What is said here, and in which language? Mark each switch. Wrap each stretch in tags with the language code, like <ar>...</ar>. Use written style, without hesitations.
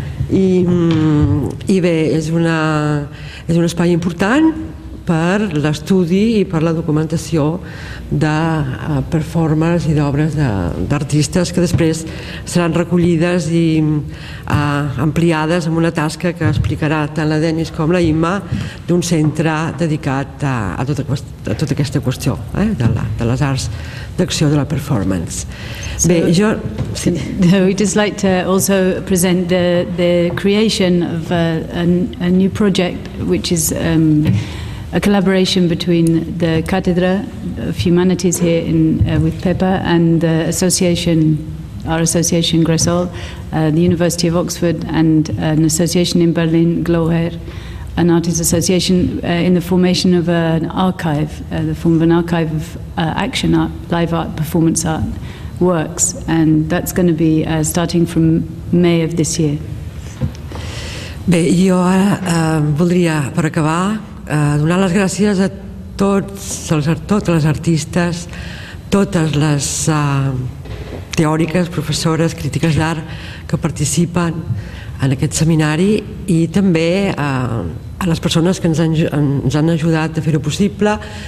<ca>I bé, és un espai important per l'estudi i per la documentació de performers i d'obres d'artistes que després seran recollides i ampliades amb una tasca que explicarà tant la Dennis com la Imma d'un centre dedicat a tota aquesta qüestió de les arts d'acció de la performance. Bé, jo...</ca> <en>We'd just like to also present the creation of a new project which is... a collaboration between the Cátedra of Humanities here in with Pepa and the association, our association Gresol, the University of Oxford, and an association in Berlin, Glauher, an artist association, in the formation of an archive, the form of an archive of action art, live art, performance art works. And that's going to be starting from May of this year.</en> <ca>Bé, jo ara voldria, per acabar, donar les gràcies a totes les artistes, totes les teòriques, professores, crítiques d'art que participen en aquest seminari i també a les persones que ens han ajudat a fer-ho possible.</ca>